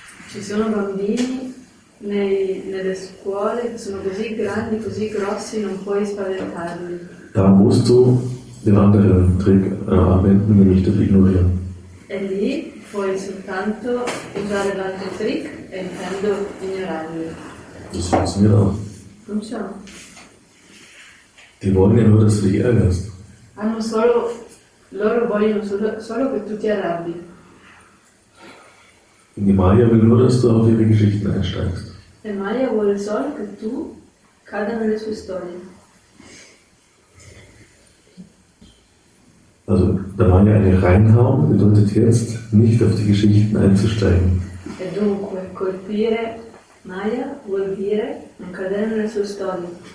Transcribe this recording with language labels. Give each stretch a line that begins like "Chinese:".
Italian: Ci sono bambini nelle scuole che sono così grandi, così grossi, non puoi spaventarli.
German: Da musst du den anderen Trick anwenden, nämlich das Ignorieren.
Italian: E lì puoi soltanto usare l'altro Trick, e intendo ignorarlo.
German: Das funktioniert auch.
Italian: Funziona.
German: Die wollen ja nur, dass du dich ärgerst.
Italian: Hanno solo, loro vogliono solo che tu ti arrabbi.
German: Die Maya will nur, dass du auf ihre Geschichten einsteigst.
Italian: E Maya vuole solo che tu cada nelle sue storie.
German: Also, da waren wir eine reinhauen, bedeutet jetzt, nicht auf die Geschichten einzusteigen.
Italian: E dunque, colpire Maya vuol dire non cadere nelle sue storie.